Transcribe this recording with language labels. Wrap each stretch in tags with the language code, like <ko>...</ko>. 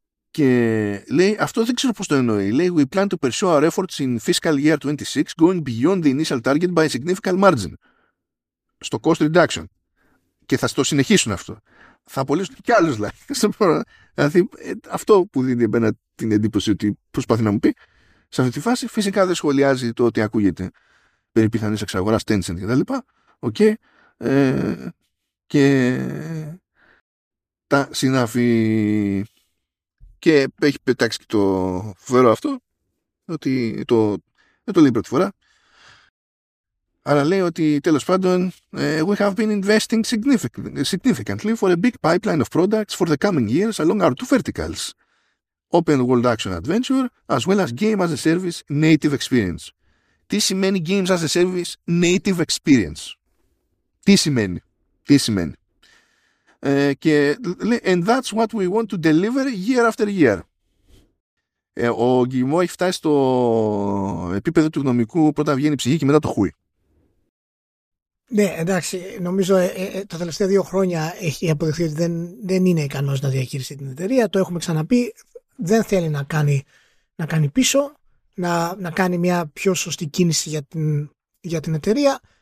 <el>Και λέει, αυτό δεν ξέρω πώς το εννοεί. Λέει,</el> <en>we plan to pursue our efforts in fiscal year 26, going beyond the initial target by a significant margin.</en> <el>Στο cost reduction. Και θα το συνεχίσουν αυτό. Θα απολύσουν κι άλλους, δηλαδή. Αυτό που δίνει εμένα την εντύπωση ότι προσπαθεί να μου πει. Σε αυτή τη φάση, φυσικά δεν σχολιάζει το ότι ακούγεται περί πιθανής εξαγοράς Tencent και τα λοιπά. Okay. Και τα συνάφη. Και έχει πετάξει και το φοβερό αυτό, ότι το, δεν το λέει πρώτη φορά, αλλά λέει ότι τέλος πάντων,</el> <en>we have been investing significantly for a big pipeline of products for the coming years along our two verticals, open world action adventure, as well as game as a service native experience.</en> <el>Τι σημαίνει</el> <en>games as a service native experience? Τι σημαίνει?</en> <el>Και</el> <en>and that's what we want to deliver year after year.</en> <el>Ο Γκυμό έχει φτάσει στο επίπεδο του γνωμικού, πρώτα βγαίνει η ψυχή και μετά το χούι. Ναι, εντάξει, νομίζω τα τελευταία δύο χρόνια έχει αποδειχθεί ότι δεν είναι ικανός να διαχειριστεί την εταιρεία. Το έχουμε ξαναπεί, δεν θέλει να κάνει πίσω, να κάνει μια πιο σωστή κίνηση για την εταιρεία.</el>